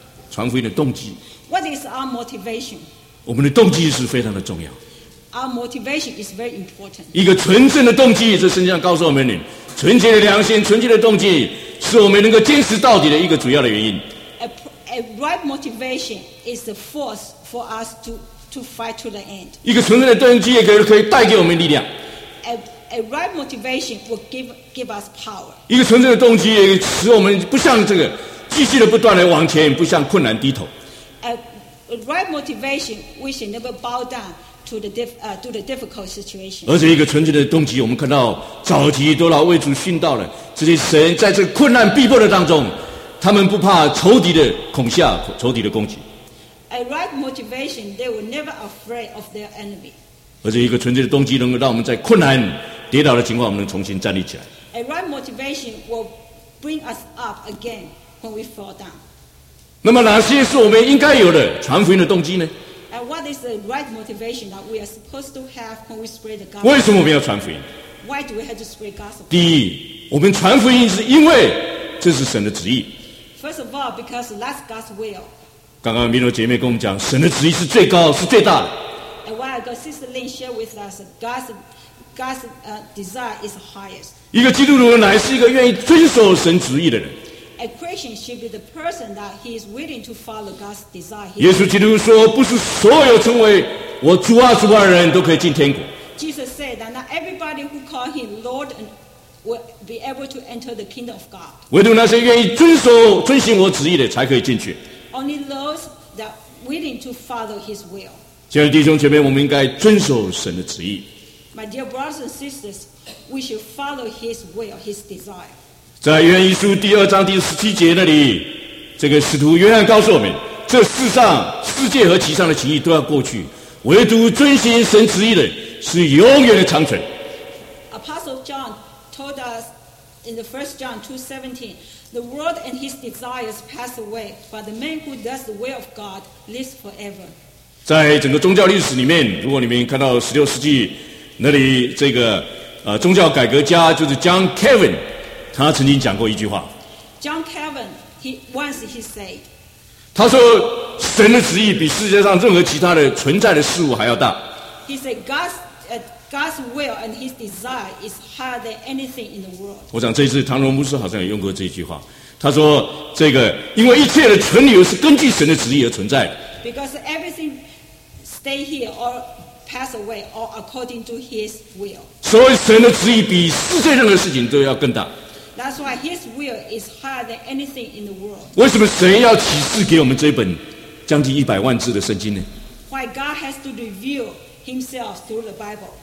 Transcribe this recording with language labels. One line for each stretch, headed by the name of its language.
Chinese: 传福音的动机。
English: What is our motivation?
Chinese: 我们的动机是非常的重要。
English: Our motivation is very important.
Chinese: 一个纯正的动机，这圣经上告诉我们的，纯洁的良心、纯洁的动机，是我们能够坚持到底的一个主要的原因。
English: A right motivation is the force for us to fight to the end.
Chinese: 一个纯正的动机也可以带给我们力量。
English: A right motivation will give us power.
Chinese: 一个纯正的动机也使我们不像这个继续的不断的往前，不像困难低头。
English: A right motivation, we should never bow down to the difficult situation.
Chinese: 而且一个纯正的动机，我们看到早期多少为主殉道了，这些神在这困难逼迫的当中，他们不怕仇敌的恐吓、仇敌的攻击。
English: A right motivation, they were never afraid of their enemy.
Chinese: 而且一个纯正的动机，能够让我们在困难跌倒的情况，我们能重新站立起来。
English: A right motivation will bring us up again when we fall down.
Chinese: 那么哪些是我们应该有的传福音的动机呢？
English: And what is the right motivation that we are supposed to have when we spread the gospel?
Chinese: 为什么我们要传福音？
English: Why do we have to spread gospel?
Chinese: 第一，我们传福音是因为这是神的旨意。
English: First of all, because that's God's will.
Chinese: 刚刚明柔姐妹跟我们讲，神的旨意是最高，是最大的。
English: And while ago, Sister Lin shared with us, God's desire is highest.
Chinese: 一个基督徒乃是一个愿意遵守神旨意的人。
English: A Christian should be the person that he is willing to follow God's desire.
Chinese: 耶稣基督说，不是所有称为我主啊主啊的人都可以进天国。
English: Jesus said that not everybody who call him Lord will be able to enter the kingdom of God.
Chinese: 唯独那些愿意遵循我旨意的才可以进去。
English: Only those that are willing to follow his will.
Chinese: 亲爱的弟兄姐妹，我们应该遵守神的旨意。
English: My dear brothers and sisters, we should follow his will, his desire.
Chinese: 在约翰一书第二章第十七节那里，这个使徒约翰告诉我们，这世上世界和其上的情欲都要过去，唯独遵循神旨意的是永远的长存。
English: Apostle John told us in the 1 John 2:17, the world and his desires pass away, but the man who does the will of God lives forever.
Chinese: 在整个宗教历史里面，如果你们看到16世纪那里这个宗教改革家就是 John Calvin， 他曾经讲过一句话。
English: John Calvin, he said,
Chinese: 他说神的旨意比世界上任何其他的存在的事物还要大。
English: He said God's will and his desire is higher than anything in the world.
Chinese: 我想这次唐荣牧师好像也用过这句话，他说这个因为一切的存留是根据神的旨意而存在的。
English: Because everything stay here or pass away or according to his will.
Chinese: 所以神的旨意比世界任何事情都要更大。
English: That's why his will is higher than anything in the world.
Chinese: 为什么神要启示给我们这本将近100万字的圣经呢？
English: Why God has to reveal himself through the Bible?